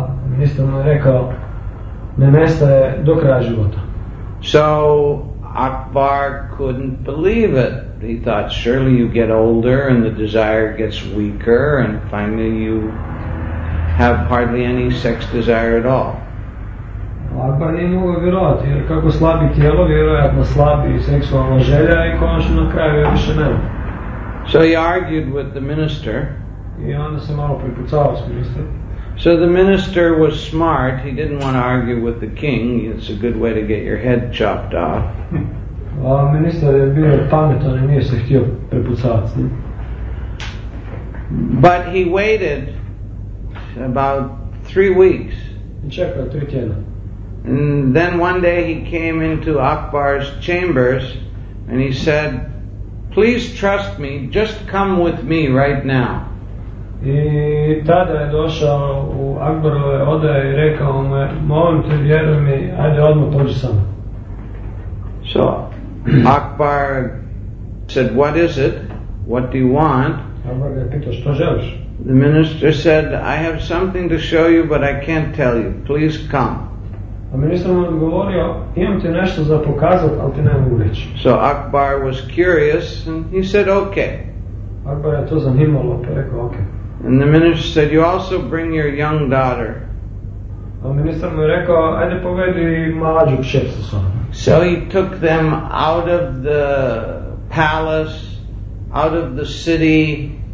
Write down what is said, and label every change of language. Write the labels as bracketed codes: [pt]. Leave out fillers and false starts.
[hr] Ministar mu je rekao, ne nestaje do kraja života. [en] So Akbar couldn't believe it. He thought, surely you get older and the desire gets weaker and finally you have hardly any sex desire at all. [hr] Akbar nije mogao vjerovati, jer kako slabi tijelo, vjerojatno slabi seksualna želja i konačno na kraju više nema. [en] So he argued with the minister. [hr] I onda se malo prepucao s ministrom. [en] So the minister was smart. He didn't want to argue with the king. It's a good way to get your head chopped off. [hr] A ministar je bio pametan i nije se htio prepucavati s njim. [en] But he waited about 3 weeks. [hr] I čekao 3 tjedna. [en] And then one day he came into Akbar's chambers and he said, please trust me, just come with me right now. [hr] I tada je došao u Akbarove odaje i rekao mu, molim te, vjeruj mi, ajde odmah pođi sam. [en] So Akbar said, what is it? What do you want? [hr] Akbar ga je pitao, što želiš? [en] The minister said, I have something to show you, but I can't tell you. Please come. [hr] A ministar mu je odgovorio, imam ti nešto za pokazat, ali ti ne mogu reći. [en] So Akbar was curious and he said, okay. [hr] Akbar je to zanimalo, pa rekao, okay. [en] And the minister said, you also bring your young daughter. [hr] A ministar mu je rekao, ajde povedi mlađu kćer sa sobom. [en] So he took them out of the palace, out of the city.